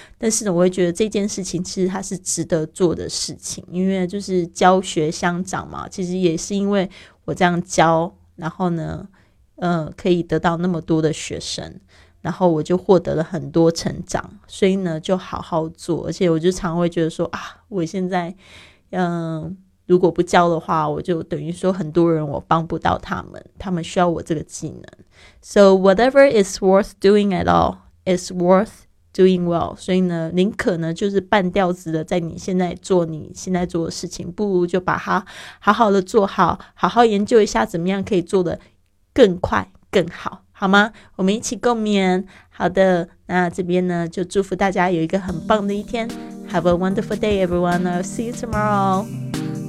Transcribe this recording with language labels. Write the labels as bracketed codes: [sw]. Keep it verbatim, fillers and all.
[zh] 但是呢，我会觉得这件事情其实它是值得做的事情，因为就是教学相长嘛，其实也是因为我这样教，然后呢呃，可以得到那么多的学生，然后我就获得了很多成长，所以呢就好好做。而且我就常会觉得说啊，我现在嗯、呃如果不教的话，我就等于说很多人我帮不到他们，他们需要我这个技能。 [en] So whatever is worth doing at all is worth doing well. [zh] 所以呢，宁可呢就是半吊子的在你现在做你现在做的事情，不如就把它好好的做好，好好研究一下怎么样可以做得更快更好，好吗？我们一起共勉。好的，那这边呢就祝福大家有一个很棒的一天。 [en] Have a wonderful day everyone. I'll see you tomorrow.